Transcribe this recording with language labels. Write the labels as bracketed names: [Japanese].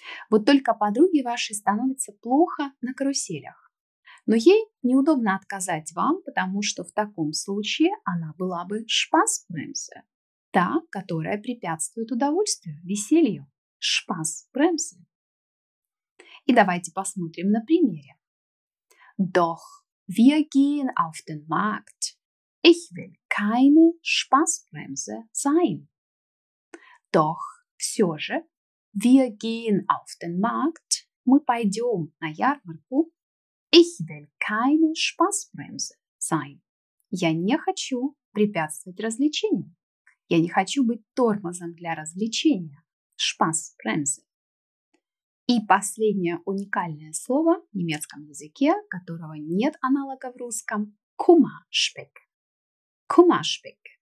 [Russian] Вот только подруге вашей становится плохо на каруселях. Но ей неудобно отказать вам, потому что в таком случае она была бы Spaßbremse. Та, которая препятствует удовольствию, веселью. [German] Spaßbremse. [Russian] И давайте посмотрим на примере. [German] Doch, wir gehen auf den Markt. Ich will keine Spaßbremse sein. Doch, [Russian] все же, [German] wir gehen auf den Markt. [Russian] Мы пойдем на ярмарку. [German] Ich will keine Spaßbremse sein. [Russian] Я не хочу препятствовать развлечению. Я не хочу быть тормозом для развлечения. [German] Spaßbremse. [Russian] И последнее уникальное слово в немецком языке, которого нет аналога в русском, [German] Kummerspeck. Kummerspeck.